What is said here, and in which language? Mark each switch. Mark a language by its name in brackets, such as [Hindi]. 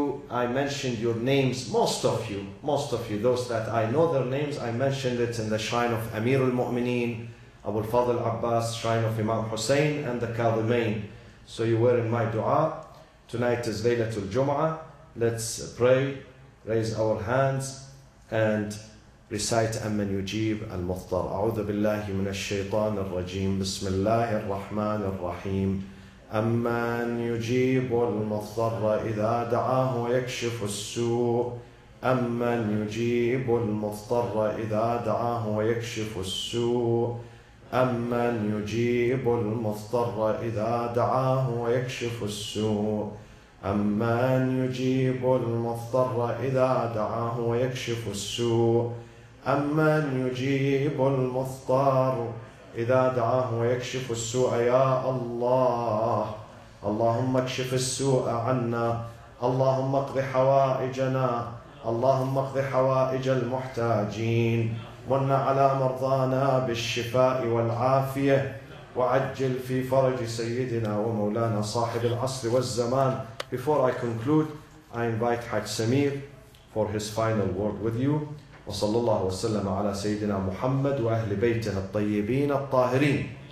[English] I mentioned your names, most of you, those that I know their names, I mentioned it in the shrine of Amir al-Mu'mineen, Abu al-Fadl Abbas, shrine of Imam Hussein, and the Kadhimain. So you were in my dua. Tonight is Laylatul Jum'ah. Let's pray, raise our hands, and recite Amman Yujib al-Muhtar. [Arabic] A'udhu billahi minash shaitan ar-rajim. Bismillahir Rahman ar-Rahim. أمن يجيب المضطر إذا دعاه ويكشف السوء أمن يجيب المضطر إذا دعاه ويكشف السوء أمن يجيب المضطر إذا دعاه ويكشف السوء أمن يجيب المضطر إذا دعاه ويكشف السوء أمن يجيب المضطر إذا دعاه ويكشف السوء يا الله اللهم اكشف السوء عنا اللهم اقض حوائجنا اللهم اقض حوائج المحتاجين من على مرضانا بالشفاء والعافية وعجل في فرج سيدنا ومولانا صاحب العصر والزمان. [English] Before I conclude, I invite Haj Samir for his final word with you. [Arabic] وصلى الله وسلم على سيدنا محمد وأهل بيته الطيبين الطاهرين.